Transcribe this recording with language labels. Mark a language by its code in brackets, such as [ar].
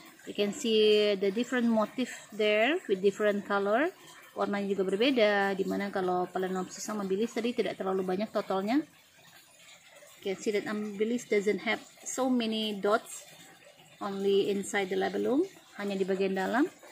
[en] You can see the different motif there with different color. [id] Warnanya juga berbeda, dimana kalau Phalaenopsis sama amabilis tadi tidak terlalu banyak totalnya. [en] You can see that amabilis doesn't have so many dots only inside the labellum, [id] hanya di bagian dalam.